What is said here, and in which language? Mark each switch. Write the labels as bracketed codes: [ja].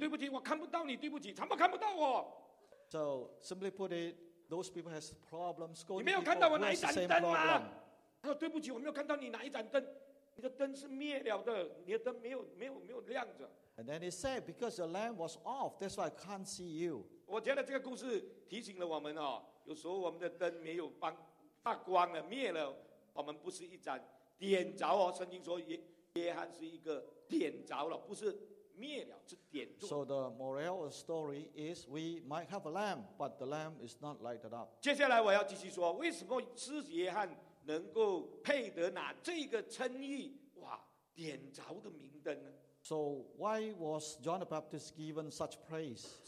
[zh] 他就撞到了，那个人就说：“哎呦，对不起，对不起，对不起，对不起，我看不到你，对不起，怎么看不到我？” [en] So simply put it, those people has problems scolding. [zh] 你没有看到我拿一盏灯吗？他说：“对不起，我没有看到你拿一盏灯。” 你的灯是灭了的，你的灯没有亮着。 [en] And then he said, because your lamp was off, that's why I can't see you. [zh] 我觉得这个故事提醒了我们哦，有时候我们的灯没有发光了，灭了，我们不是一盏点着哦。圣经说约翰是一个点着了，不是灭了，是点着。 [en] So the moral of the story is we might have a lamp, but the lamp is not lighted up. [zh] 接下来我要继续说，为什么施约翰？能够配得拿这个称誉，哇，点着的明灯呢？ [en] So why was John the Baptist given such praise?